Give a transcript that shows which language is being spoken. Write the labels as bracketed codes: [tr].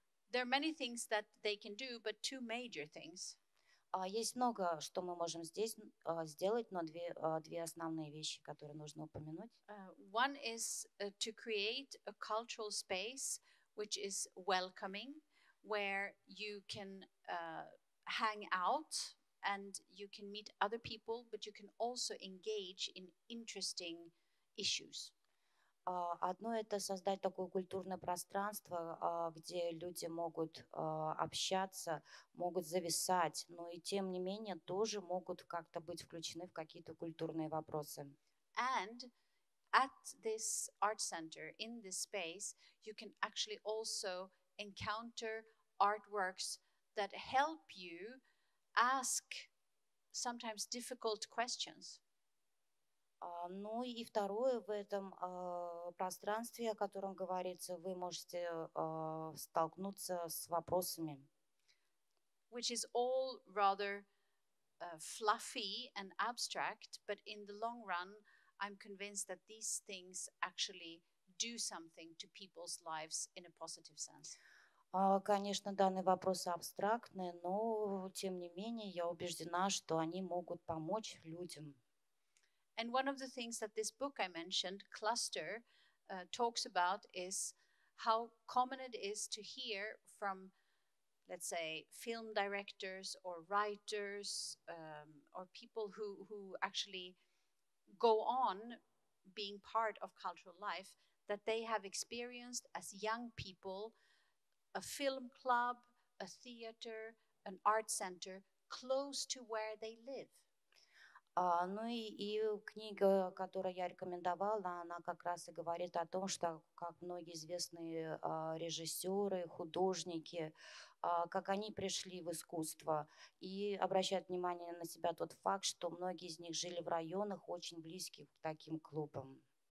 [en] There are many things that they can do, but two major things. [ru] Есть много, что мы можем здесь сделать, но две основные вещи, которые нужно упомянуть. [en] One is to create a cultural space which is welcoming, where you can hang out and you can meet other people, but you can also engage in interesting issues. [ru] Одно – это создать такое культурное пространство, где люди могут общаться, могут зависать, но и тем не менее тоже могут как-то быть включены в какие-то культурные вопросы. [en] And at this art center, in this space, you can actually also encounter artworks that help you ask sometimes difficult questions. [ru] Ну и второе, в этом пространстве, о котором говорится, вы можете столкнуться с вопросами. [en] Which is all rather fluffy and abstract, but in the long run, I'm convinced that these things actually do something to people's lives in a positive sense. [ru] Конечно, данные вопросы абстрактны, но тем не менее я убеждена, что они могут помочь людям. [en] And one of the things that this book I mentioned, Cluster, talks about is how common it is to hear from, let's say, film directors or writers or people who actually go on being part of cultural life, that they have experienced as young people a film club, a theater, an art center close to where they live. [ru] Ну и книга, которую я рекомендовала, она как раз и говорит о том, что как многие известные режиссеры, художники, как они пришли в искусство и обращают внимание на себя тот факт, что многие из них жили в районах, очень близких к таким клубам.